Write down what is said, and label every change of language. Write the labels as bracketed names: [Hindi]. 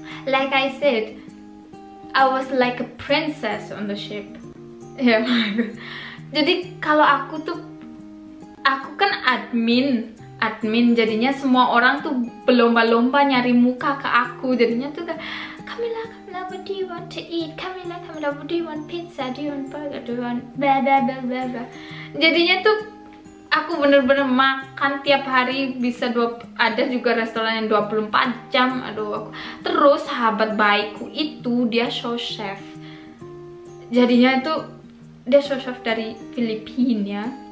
[English] Like I said, I was like a princess on the ship. [Indonesian] Ya, jadi kalau aku tuh, aku kan admin, jadinya semua orang tuh berlomba-lomba nyari muka ke aku. Jadinya tuh kayak, [English] Camilla, Camilla, what do you want to eat? Camilla, Camilla, what do you want? Pizza, do you want burger, do you want blah, blah, blah, blah, blah. [Indonesian] Jadinya tuh aku bener-bener makan tiap hari bisa ada juga restoran yang 24 jam. Aduh, aku. Terus sahabat baikku itu dia show chef. Jadinya itu dia show chef dari Filipina ya.